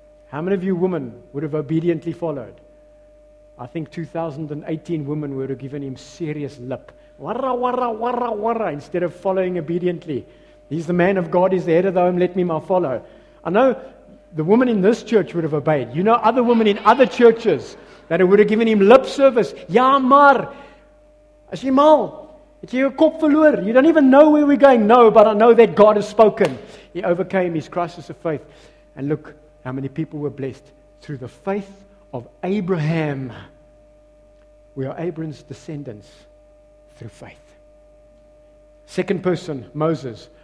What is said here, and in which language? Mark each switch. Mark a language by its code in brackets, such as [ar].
[en] How many of you women would have obediently followed? I think 2018 women would have given him serious lip. Warra, warra, warra, warra, instead of following obediently. He's the man of God, he's the head of the home, let me my follow. I know the woman in this church would have obeyed. You know other women in other churches that it would have given him lip service. [af] Ja, maar. As jy mal, het jy jou kop verloor. [en] You don't even know where we're going. No, but I know that God has spoken. He overcame his crisis of faith. And look how many people were blessed through the faith of Abraham. We are Abraham's descendants through faith. Second person, Moses.